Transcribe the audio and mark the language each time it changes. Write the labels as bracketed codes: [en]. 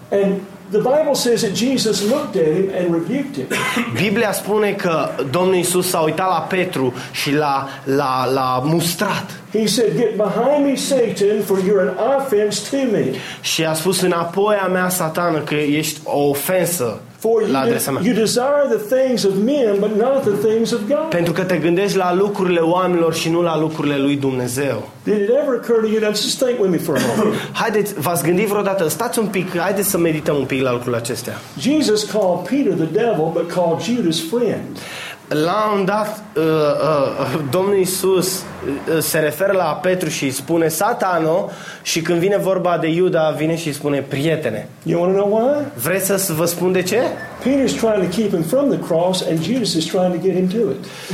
[en] And the Bible says that Jesus looked at him and rebuked him. [ro] Biblia spune că Domnul Iisus s-a uitat la Petru și l-a mustrat. [en] He said, "Get behind me, Satan, for you're an offense to me." [ro] Și a spus înapoi a mea, Satană, că ești o ofensă. [en] For you, you desire the things of men, but not the things of God. [ro] Pentru că te gândești la lucrurile oamenilor și nu la lucrurile lui Dumnezeu. [en] Did it ever occur to you? Now just think with me for a moment. [ro] Haideți, v-ați gândit vreodată? Stați un pic. Haideți să medităm un pic la lucrurile acestea. [en] Jesus called Peter the devil, but called Judas friend. [ro] La un dat, Domnul Iisus se referă la Petru și îi spune Satano, și când vine vorba de Iuda, vine și îi spune prietene. [en] You want to know why? [ro] Vreți să vă spun de ce? [en] Peter is trying to keep him from the cross and Judas is trying to get him to it.